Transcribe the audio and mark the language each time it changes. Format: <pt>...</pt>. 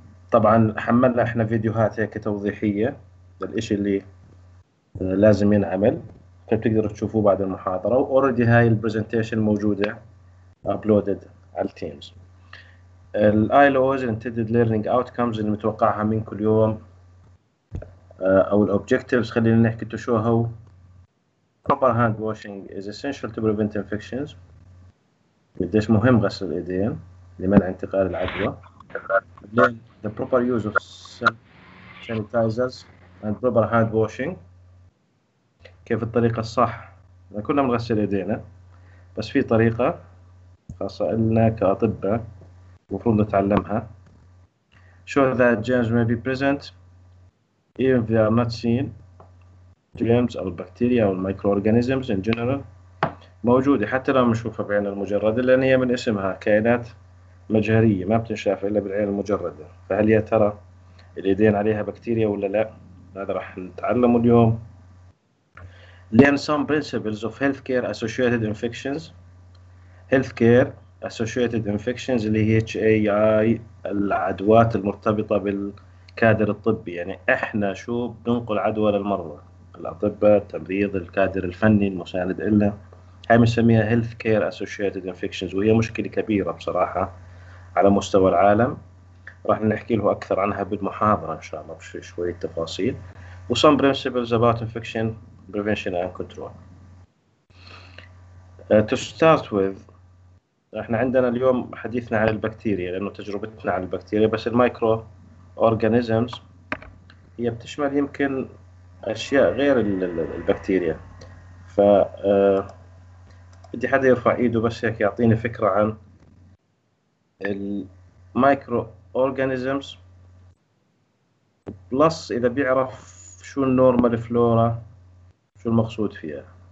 <ar>طبعا حملنا إحنا فيديوهات هيك توضيحية للإشي اللي لازم ينعمل، فبتقدروا تشوفوه بعد المحاضرة، وأوريدي هاي البرزنتيشن موجودة أبلودد على التيمز. الILOs Intended Learning Outcomes اللي متوقعها من كل يوم، أو الأوبجيكتيفز خلينا نحكي تو شو هو.</ar> <en>Proper hand washing is essential to prevent infections.</en> <ar>قديش مهم غسل الإيدين لمنع انتقال العدوى.</ar> <en>Then the proper use of sanitizers and proper hand washing.</en> <ar>كيف الطريقة الصح؟ كلنا بنغسل ايدينا، بس في طريقة خاصة لنا كأطباء المفروض نتعلمها.</ar> <en>Show that germs may be present even if they are not seen.</en> <ar>Germs أو البكتيريا أو الميكروأورجانيزمز</ar> <en>in general</en> <ar>موجودة حتى لو نشوفها بعين المجردة، لأن هي من اسمها كائنات مجهرية ما بتنشاف إلا بالعين المجردة. فهل يا ترى الإيدين عليها بكتيريا ولا لا؟ هذا راح نتعلمه اليوم.</ar> <en>Learn some principles of healthcare associated infections.</en> <ar>Healthcare associated infections اللي هي HAI، العدوات المرتبطة بالكادر الطبي، يعني احنا شو بننقل عدوى للمرضى، الأطباء، التمريض، الكادر الفني المساند إلا، هاي بنسميها healthcare associated infections، وهي مشكلة كبيرة بصراحة على مستوى العالم. راح نحكي له أكثر عنها بالمحاضرة إن شاء الله بشوي شوية تفاصيل.</ar> <en>وsome principles about infection prevention and control. To start with،</en> <ar>احنا عندنا اليوم حديثنا عن البكتيريا لانه تجربتنا عن البكتيريا، بس المايكرو اورجانيزمز هي بتشمل يمكن اشياء غير البكتيريا. ف بدي حدا يرفع ايده بس هيك يعطيني فكرة عن المايكرو اورجانيزمز، بلس اذا بيعرف شو النورمال فلورا شو المقصود فيها.</ar>